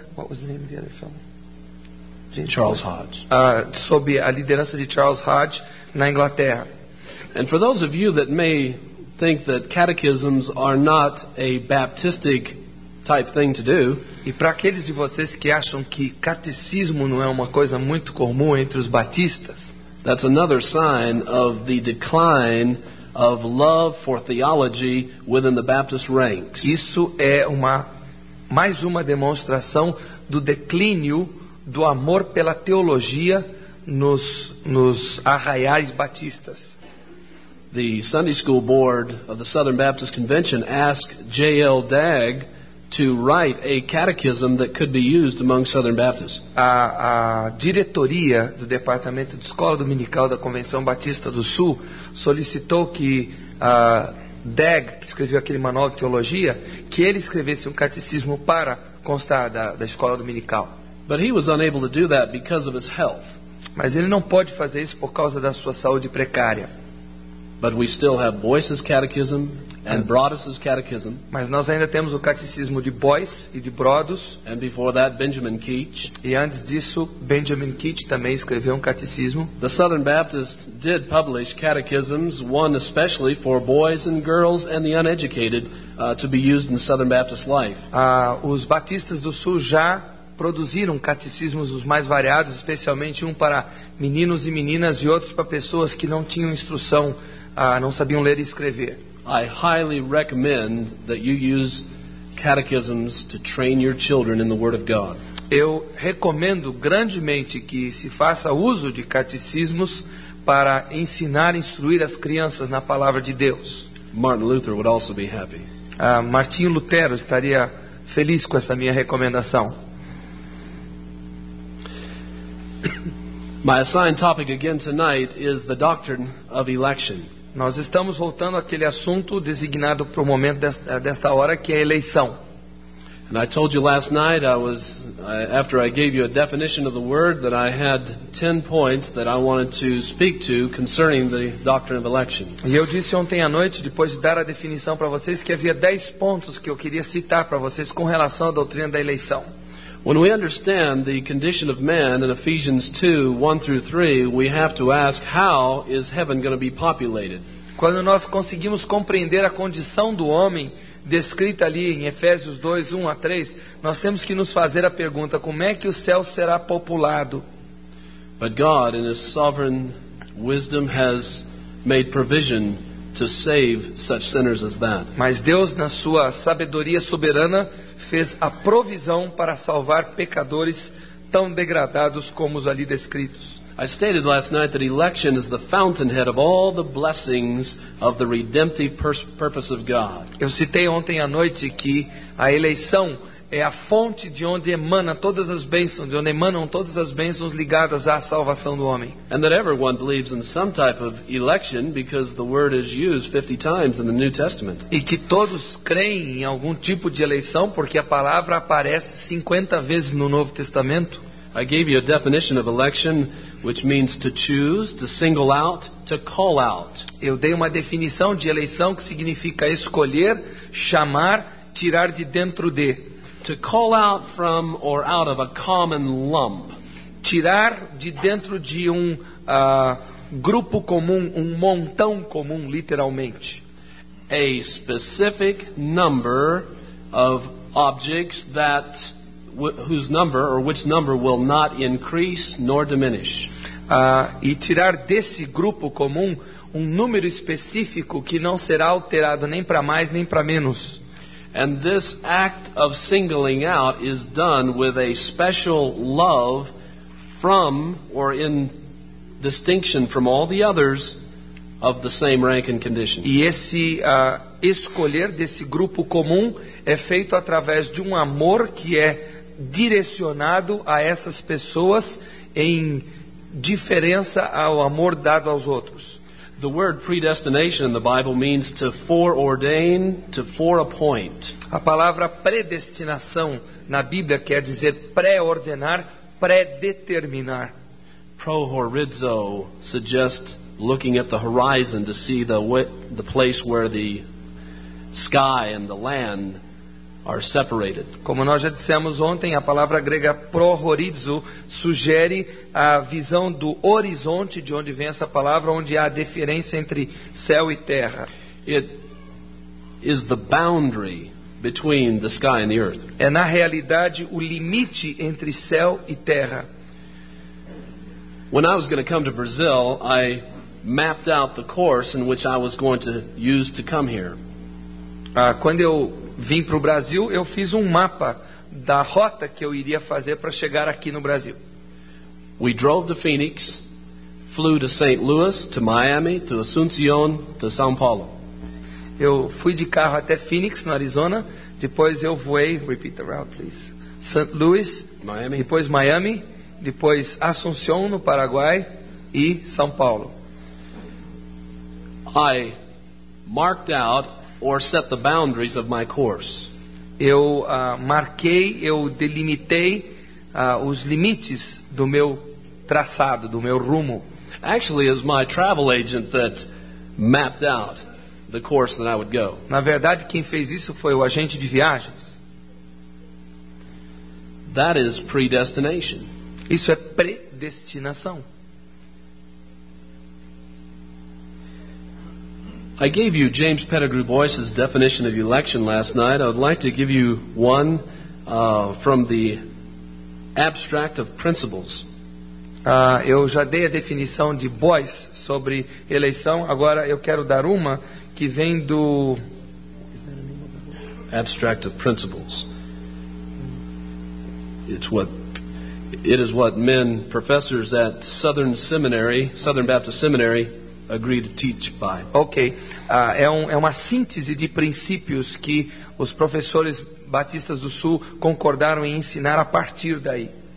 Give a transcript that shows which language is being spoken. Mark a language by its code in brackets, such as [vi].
[en] What was the name of the other fellow? Charles Hodge. [pt] Sob a liderança de Charles Hodge na Inglaterra. [en] And for those of you that may think that catechisms are not a baptistic type thing to do. [pt] E para aqueles de vocês que acham que catecismo não é uma coisa muito comum entre os batistas, [en] that's another sign of the decline of love for theology within the Baptist ranks. [pt] Isso é mais uma demonstração do declínio do amor pela teologia nos arraiais batistas. [en] The Sunday School Board of the Southern Baptist Convention asked J.L. Dagg to write a catechism that could be used among Southern Baptists. [pt] A diretoria do Departamento de Escola Dominical da Convenção Batista do Sul solicitou que Dagg, que escreveu aquele manual de teologia, que ele escrevesse um catecismo para constar da escola dominical. [en] But he was unable to do that because of his health. [pt] Mas ele não pode fazer isso por causa da sua saúde precária. [en] But we still have Boyce's catechism and Brodus's catechism. [pt] Mas nós ainda temos o catecismo de Boyce e de Brodus. [en] And before that, Benjamin Keach. [pt] E antes disso, Benjamin Keach também escreveu um catecismo. [en] The Southern Baptists did publish catechisms, one especially for boys and girls and the uneducated, to be used in Southern Baptist life. [pt] Os batistas do Sul já produziram catecismos os mais variados, especialmente um para meninos e meninas e outros para pessoas que não tinham instrução, não sabiam ler e escrever. [en] I highly recommend that you use catechisms to train your children in the Word of God. [pt] Eu recomendo grandemente que se faça uso de catecismos para ensinar e instruir as crianças na palavra de Deus. [en] Martin Luther would also be happy. [pt] Martinho Lutero estaria feliz com essa minha recomendação. [en] My assigned topic again tonight is the doctrine of election. [pt] Nós estamos voltando àquele assunto designado para o momento desta hora, que é a eleição. [en] And I told you last night after I gave you a definition of the word that I had 10 points that I wanted to speak to concerning the doctrine of election. [pt] E eu disse ontem à noite, depois de dar a definição para vocês, que havia 10 pontos que eu queria citar para vocês com relação à doutrina da eleição. [en] When we understand the condition of man in Ephesians 2:1-3, we have to ask, how is heaven going to be populated? [pt] Quando nós conseguimos compreender a condição do homem descrita ali em Efésios 2:1-3, nós temos que nos fazer a pergunta: como é que o céu será populado? [en] But God, in His sovereign wisdom, has made provision to save such sinners as that. [pt] Mas Deus, na sua sabedoria soberana, fez a provisão para salvar pecadores tão degradados como os ali descritos. [en] I stated last night that election is the fountainhead of all the blessings of the redemptive purpose of God. [pt] Eu citei ontem à noite que a eleição é a fonte de onde emana todas as bênçãos, de onde emanam todas as bênçãos ligadas à salvação do homem. [en] And that everyone believes in some type of election because the word is used 50 times in the New Testament. [pt] E que todos creem em algum tipo de eleição porque a palavra aparece 50 vezes no Novo Testamento. [en] I gave you a definition of election, which means to choose, to single out, to call out. [pt] Eu dei uma definição de eleição que significa escolher, chamar, tirar de dentro de. [en] To call out from or out of a common lump. [pt] Tirar de dentro de um grupo comum, um montão comum, literalmente. [en] A specific number of objects that whose number or which number will not increase nor diminish. [pt] E tirar desse grupo comum um número específico que não será alterado nem para mais nem para menos. [en] And this act of singling out is done with a special love from or in distinction from all the others of the same rank and condition. [pt] E esse escolher desse grupo comum é feito através de um amor que é direcionado a essas pessoas em diferença ao amor dado aos outros. [en] The word predestination in the Bible means to foreordain, to foreappoint. [pt] A palavra predestinação na Bíblia quer dizer pré-ordenar, pré-determinar. [en] Prohorizo suggests looking at the horizon to see the place where the sky and the land are separated. [pt] Como nós já dissemos ontem, a palavra grega prohorizo sugere a visão do horizonte, de onde vem essa palavra, onde há a diferença entre céu e terra. [en] It is the boundary between the sky and the earth. [pt] É na realidade o limite entre céu e terra. [en] When I was going to come to Brazil, I mapped out the course in which I was going to use to come here. [pt] Quando eu vim para o Brasil, eu fiz um mapa da rota que eu iria fazer para chegar aqui no Brasil. [en] We drove to Phoenix, flew to St. Louis, to Miami, to Asunción, to São Paulo. [pt] Eu fui de carro até Phoenix, no Arizona. Depois eu voei, [en] repeat the route, please. St. Louis, Miami. [pt] Depois Miami, depois Asunción, no Paraguai, e São Paulo. [en] I marked out or set the boundaries of my course. [pt] Eu marquei, eu delimitei os limites do meu traçado, do meu rumo. [en] Actually, it was my travel agent that mapped out the course that I would go. [pt] Na verdade, quem fez isso foi o agente de viagens. [en] That is predestination. [pt] Isso é predestinação. [en] I gave you James Pettigrew Boyce's definition of election last night. I would like to give you one from the abstract of principles. [pt] Eu já dei a definição de Boyce sobre eleição. Agora eu quero dar uma que vem do [en] abstract of principles. It is what men, professors at Southern Baptist Seminary, agree to teach by. [pt] Okay, é uma síntese de princípios que os professores batistas do Sul concordaram em ensinar a partir daí.